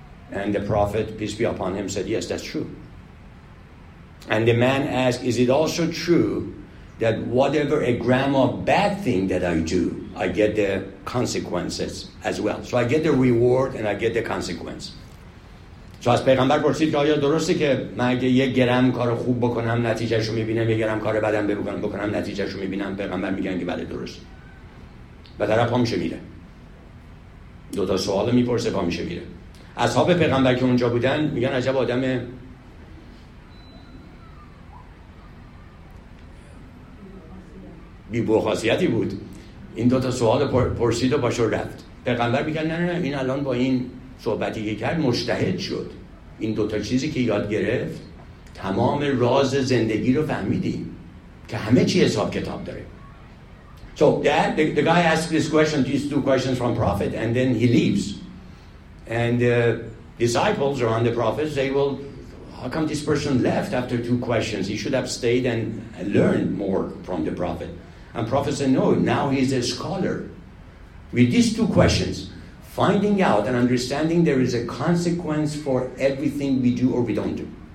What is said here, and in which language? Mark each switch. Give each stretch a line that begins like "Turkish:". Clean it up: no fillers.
English: And the prophet, peace be upon him, said, yes, that's true. And the man asked, is it also true that whatever a gram of bad thing that I do, I get the consequences as well? So I get the reward and I get the consequence. So as
Persian: پیغمبر پرسید که آیا درسته که من اگه یک گرم کار خوب بکنم نتیجهش رو میبینم، یک گرم کار بدم بکنم نتیجهش رو میبینم؟ پیغمبر میگن که بله درسته. و در پا میشه میره. دو تا سوال میپرسه پا میشه میره. اصحاب پیغمبر که اونجا بودن میگن عجب آدم بی بخاصیتی بود. این دو تا سوال پرسید و پاشو رفت. پیغمبر میگن نه این الان با این صحبتی که کرد مجتهد شد. این دو تا چیزی که یاد گرفت تمام راز زندگی رو فهمیدیم که همه چی حساب کتاب داره.
English: So the guy asks this question, these two questions from prophet, and then he leaves. And the disciples around the prophet say, well, how come this person left after two questions? He should have stayed and learned more from the prophet. And prophet said, no, now he's a scholar. With these two questions, finding out and understanding there is a consequence for everything we do or we don't do.